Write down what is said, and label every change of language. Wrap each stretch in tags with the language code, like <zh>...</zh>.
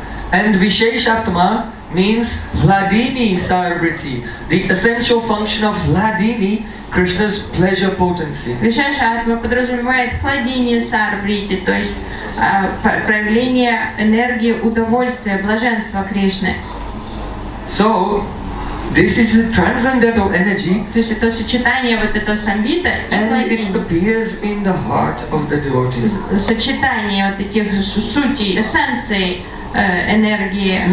<en>And Visheshatma means Hladini Sarvriti, the essential function of Hladini, Krishna's pleasure potency.</en> <ru>Visheshatma подразумевает Hladini Sarvriti, то есть проявление энергии удовольствия, блаженства Кришны.</ru> <en>So, this is a transcendental energy.</en> <ru>То есть это сочетание вот этого самбита и хладини.</ru> <en>And it appears in the heart of the devotee.</en> <ru>Сочетание вот этих сути, эссенции энергии,</ru>